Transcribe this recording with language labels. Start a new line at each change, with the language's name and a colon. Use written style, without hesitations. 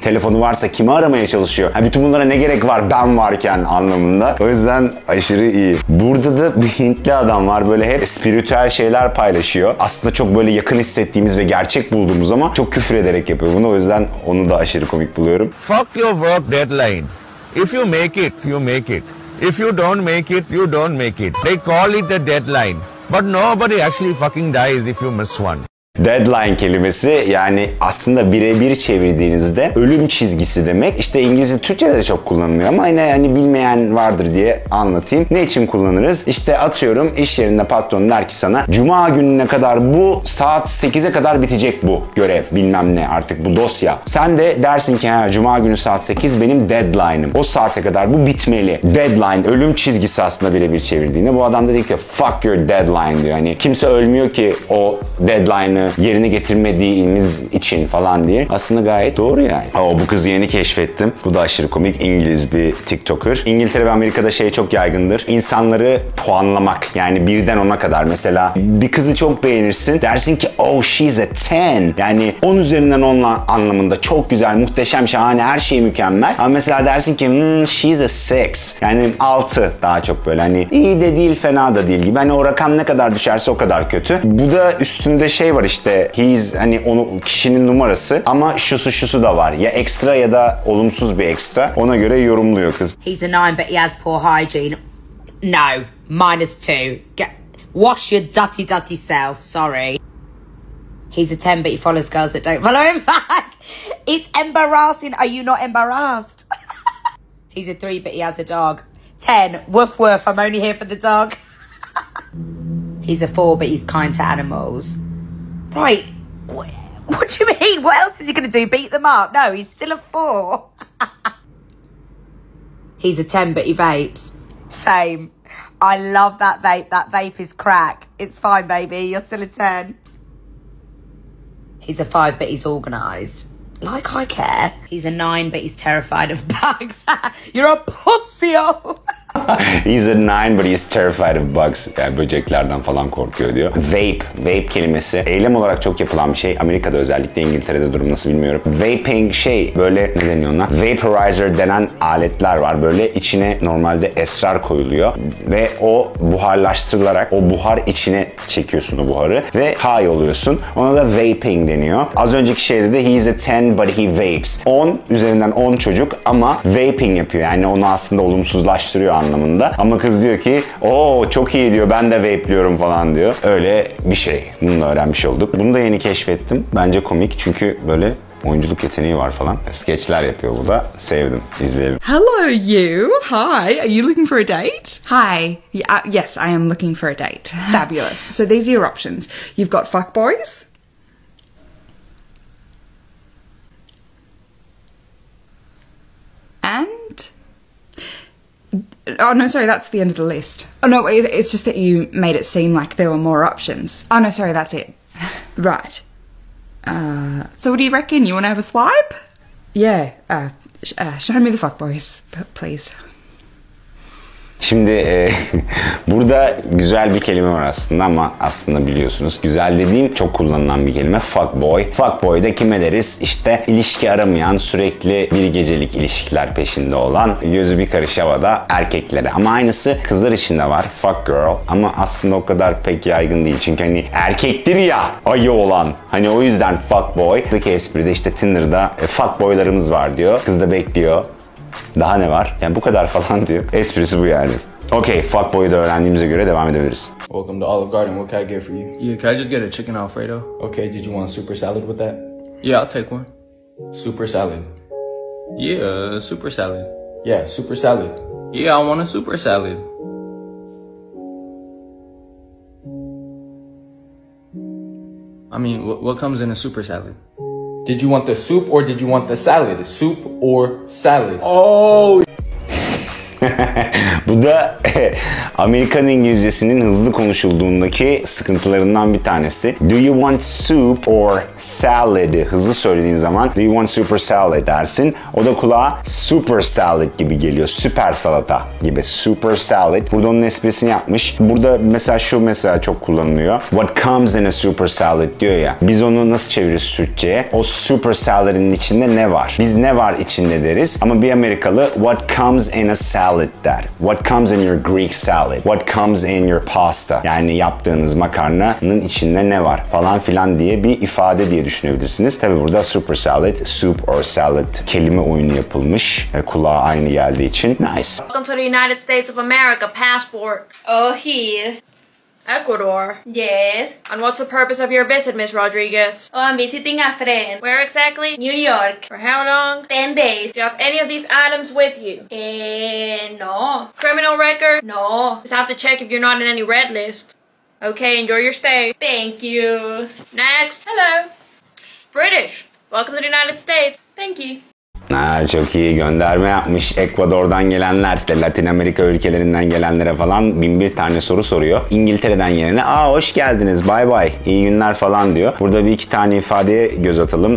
Turkish: Telefonu varsa kimi aramaya çalışıyor? Yani bütün bunlara ne gerek var ben varken anlamında. O yüzden aşırı iyi. Burada da bir Hintli adam var, böyle hep spiritüel şeyler paylaşıyor. Aslında çok böyle yakın hissettiğimiz ve gerçek bulduğumuz ama çok küfür ederek yapıyor bunu. O yüzden onu da aşırı komik buluyorum.
English: Fuck your work deadline. If you make it, you make it. If you don't make it, you don't make it. They call it a deadline. But nobody actually fucking dies if you miss one.
Turkish: Deadline kelimesi yani aslında birebir çevirdiğinizde ölüm çizgisi demek. İşte İngilizce Türkçe'de de çok kullanılıyor ama yine hani bilmeyen vardır diye anlatayım. Ne için kullanırız? İşte atıyorum iş yerinde patron der ki sana, cuma gününe kadar bu saat 8'e kadar bitecek bu görev bilmem ne artık bu dosya. Sen de dersin ki cuma günü saat 8 benim deadline'ım. O saate kadar bu bitmeli. Deadline, ölüm çizgisi aslında birebir çevirdiğinde. Bu adam da diyor ki
English: fuck your deadline
Turkish: diyor. Hani kimse ölmüyor ki o deadline yerine getirmediğimiz için falan diye. Aslında gayet doğru yani. Oo, bu kızı yeni keşfettim. Bu da aşırı komik. İngiliz bir TikToker. İngiltere ve Amerika'da şey çok yaygındır. İnsanları puanlamak. Yani birden 10'a kadar mesela. Bir kızı çok beğenirsin. Dersin ki
English: oh she's a 10.
Turkish: Yani 10 üzerinden 10 anlamında. Çok güzel, muhteşem, şahane. Her şey mükemmel. Ama mesela dersin ki
English: she's a 6.
Turkish: Yani 6 daha çok böyle. Hani iyi de değil, fena da değil gibi. Hani o rakam ne kadar düşerse o kadar kötü. Bu da üstünde şey var işte, he's hani onu, kişinin numarası ama şusu şusu da var ya, ekstra ya da olumsuz bir ekstra, ona göre yorumluyor kız.
English: He's a 9 but he has poor hygiene. No, -2. Wash your dirty dirty self, sorry. He's a 10 but he follows girls that don't follow him back. It's embarrassing. Are you not embarrassed? He's a 3 but he has a dog. 10, woof woof, I'm only here for the dog. He's a 4 but he's kind to animals. Right, what do you mean? What else is he going to do? Beat them up? No, he's still a 4. He's a 10, but he vapes. Same. I love that vape. That vape is crack. It's fine, baby. You're still a 10. He's a 5, but he's organized. Like I care. He's a 9, but he's terrified of bugs. You're a pussy, oh. He's a nine but he's terrified of bugs.
Turkish: Yani böceklerden falan korkuyor diyor. Vape. Vape kelimesi. Eylem olarak çok yapılan bir şey. Amerika'da özellikle, İngiltere'de durum nasıl bilmiyorum. Vaping şey böyle, ne deniyor ona? Vaporizer denen aletler var. Böyle içine normalde esrar koyuluyor. Ve o buharlaştırılarak o buhar içine çekiyorsun o buharı. Ve high oluyorsun. Ona da vaping deniyor. Az önceki şeyde de
English: he's a ten but he vapes.
Turkish: 10 üzerinden 10 çocuk ama vaping yapıyor. Yani onu aslında olumsuzlaştırıyor anlamında. Ama kız diyor ki ooo çok iyi diyor, ben de vape'liyorum falan diyor. Öyle bir şey. Bunu da öğrenmiş olduk. Bunu da yeni keşfettim. Bence komik çünkü böyle oyunculuk yeteneği var falan. Skeçler yapıyor bu da. Sevdim. İzleyelim.
English: Hello you. Hi. Are you looking for a date? Hi. Yes, I am looking for a date. Fabulous. So these are your options. You've got fuck boys. And... Oh, no, sorry, that's the end of the list. Oh, no, it's just that you made it seem like there were more options. Oh, no, sorry, that's it. Right. So what do you reckon? You want to have a swipe? Yeah. Show me the fuckboys, please.
Turkish: Şimdi burada güzel bir kelime var aslında ama aslında biliyorsunuz güzel dediğim çok kullanılan bir kelime fuckboy. Fuckboy da kime deriz? İşte ilişki aramayan, sürekli bir gecelik ilişkiler peşinde olan, gözü bir karış havada erkeklere. Ama aynısı kızlar için de var, fuck girl. Ama aslında o kadar pek yaygın değil çünkü hani erkektir ya ayı olan. Hani o yüzden fuckboy. Buradaki espri de işte Tinder'da fuckboylarımız var diyor. Kız da bekliyor. Daha ne var? Yani bu kadar falan diyor. Esprisi bu yani. Okay, fuckboy'u da öğrendiğimize göre devam edebiliriz.
English: Welcome to Olive Garden. What can I get for you? Yeah, can I just get a chicken Alfredo? Okay, did you want a super salad with that? Yeah, I'll take one. Super salad? Yeah, a super salad. Yeah, super salad. Yeah, I want a super salad. I mean, what comes in a super salad? Did you want the soup or did you want the salad? Soup or salad? Oh!
Turkish: Bu da Amerikan İngilizcesinin hızlı konuşulduğundaki sıkıntılarından bir tanesi.
English: Do you want soup or salad?
Turkish: Hızlı söylediğin zaman
English: do you want super salad
Turkish: dersin. O da kulağa super salad gibi geliyor. Süper salata gibi. Super salad. Burada onun esprisini yapmış. Burada mesela şu mesela çok kullanılıyor.
English: What comes in a super salad
Turkish: diyor ya. Biz onu nasıl çeviririz Türkçe'ye? O super salad'ın içinde ne var? Biz ne var içinde deriz. Ama bir Amerikalı
English: what comes in a salad
Turkish: der.
English: What comes in your Greek salad? What comes in your pasta?
Turkish: Yani yaptığınız makarnanın içinde ne var? Falan filan diye bir ifade diye düşünebilirsiniz. Tabi burada super salad, soup or salad kelime oyunu yapılmış. Kulağa aynı geldiği için.
English: Nice. Welcome to the United States of America. Passport. Oh, here. Ecuador. Yes. And what's the purpose of your visit, Miss Rodriguez? Oh, I'm visiting a friend. Where exactly? New York. For how long? 10 days. Do you have any of these items with you? No. Criminal record? No. Just have to check if you're not in any red list. Okay, enjoy your stay. Thank you. Next. Hello. British. Welcome to the United States. Thank you.
Turkish: Aa, çok iyi gönderme yapmış. Ekvador'dan gelenler de Latin Amerika ülkelerinden gelenlere falan bin bir tane soru soruyor. İngiltere'den gelene aa hoş geldiniz bye bye iyi günler falan diyor. Burada bir iki tane ifadeye göz atalım.